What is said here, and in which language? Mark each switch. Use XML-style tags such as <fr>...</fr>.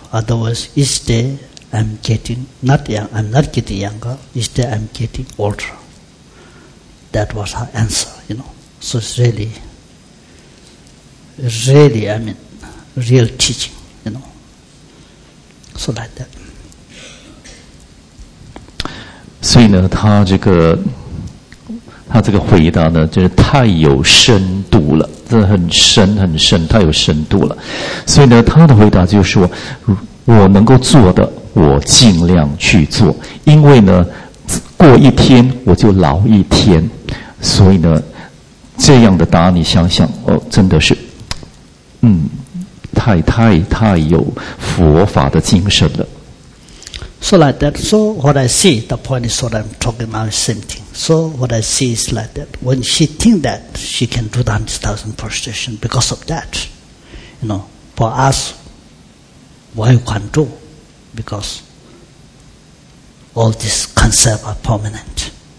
<en>Otherwise, each day. I'm not getting younger, instead I'm getting older. That was her answer, you know. So it's really, really, I mean, real teaching, you know. So like that.</en> <zh>所以呢，他这个回答呢，就是太有深度了，这很深很深，太有深度了。所以呢，他的回答就是说，我能够做的我尽量去做，因为呢，过一天我就老一天，所以呢，这样的答案你想想，哦，真的是，嗯，太有佛法的精神了。</zh> <en>So like that. So what I see, the point is what I'm talking about is same thing. So what I see is like that. When she think that she can do the 100,000 prostration because of that, you know, for us, why can't do? Because all these concepts are permanent.</en>